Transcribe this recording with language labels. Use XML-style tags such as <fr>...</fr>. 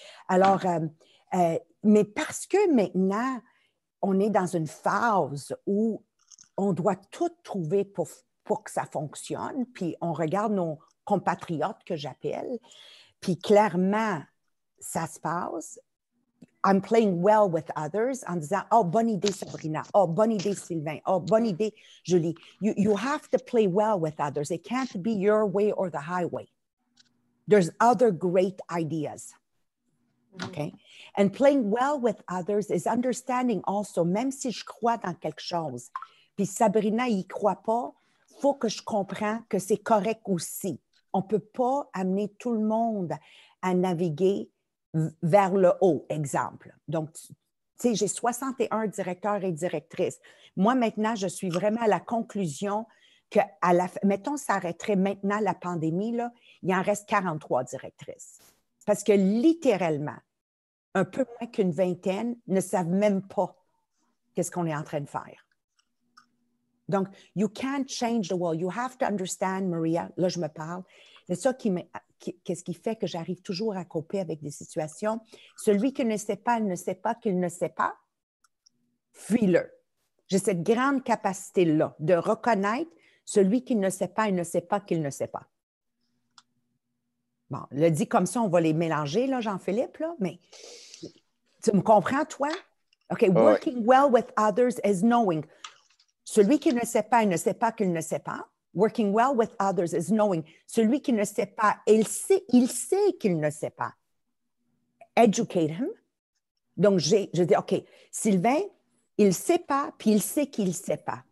<fr>Alors, mais parce que maintenant, on est dans une phase où on doit tout trouver pour que ça fonctionne, puis on regarde nos compatriotes que j'appelle, puis clairement, ça se passe.</fr> <en>I'm playing well with others</en> <fr>en disant, oh, bonne idée, Sabrina. Oh, bonne idée, Sylvain. Oh, bonne idée, Julie.</fr> <en>You have to play well with others. It can't be your way or the highway. There's other great ideas. Okay? And playing well with others is understanding also,</en> <fr>même si je crois dans quelque chose, puis Sabrina y croit pas, faut que je comprenne que c'est correct aussi. On ne peut pas amener tout le monde à naviguer vers le haut, exemple. Donc, tu sais, j'ai 61 directeurs et directrices. Moi, maintenant, je suis vraiment à la conclusion que, mettons, ça arrêterait maintenant la pandémie, là, il en reste 43 directrices. Parce que littéralement, un peu moins qu'une vingtaine ne savent même pas qu'est-ce qu'on est en train de faire.</fr> <en>Donc, you can't change the world. You have to understand, Maria,</en> <fr>là, je me parle. C'est ça qu'est-ce qui fait que j'arrive toujours à couper avec des situations. Celui qui ne sait pas, ne sait pas qu'il ne sait pas, fuis-le. J'ai cette grande capacité-là de reconnaître celui qui ne sait pas, il ne sait pas qu'il ne sait pas. Bon, le dit comme ça, on va les mélanger, là, Jean-Philippe, là, mais tu me comprends, toi?</fr> <en>OK, oh, working well with others is knowing.</en> <fr>Celui qui ne sait pas, il ne sait pas qu'il ne sait pas.</fr> <en>Working well with others is knowing.</en> <fr>Celui qui ne sait pas, il sait qu'il ne sait pas.</fr> <en>Educate him.</en> <fr>Donc, je dis, OK, Sylvain, il ne sait pas, puis il sait qu'il ne sait pas.</fr>